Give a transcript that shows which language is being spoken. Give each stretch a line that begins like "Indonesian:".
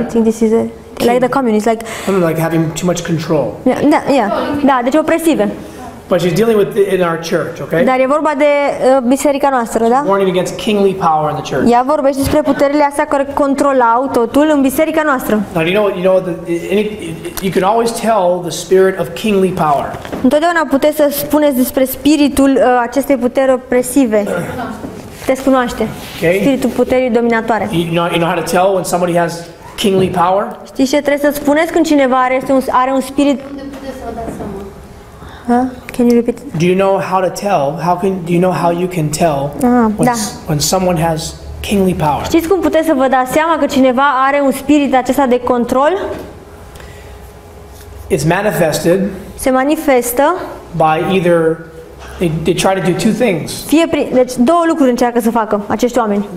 English: I think this is like the communists, like. Something like having too much control.
Romanian: Yeah. Da, deci opresive.
English: But she's dealing with in our church, okay?
Romanian: Dar e vorba de biserica noastră, da?
English: Warning against kingly power in the church.
Romanian: Ea vorbește despre puterile astea care controlau totul în biserica noastră.
English: Now you know you can always tell the spirit of kingly power.
Romanian: Întotdeauna puteți să spuneți despre spiritul acestei puteri opresive. Te cunoaște.
English: Okay.
Romanian: Spiritul puterii dominatoare.
English: You know how to tell when somebody has kingly power?
Romanian: Știi ce trebuie să spuneți când cineva are un spirit?
English: Huh? Can you repeat? Do you know how to tell? Do you know how you can tell when someone has kingly power?
Romanian: Știți cum puteți să vă dați seama că cineva are un spirit acesta de control?
English: It's manifested.
Romanian: Se manifestă.
English: By either they try to do two things.
Romanian: Deci două lucruri încearcă să facă acești oameni.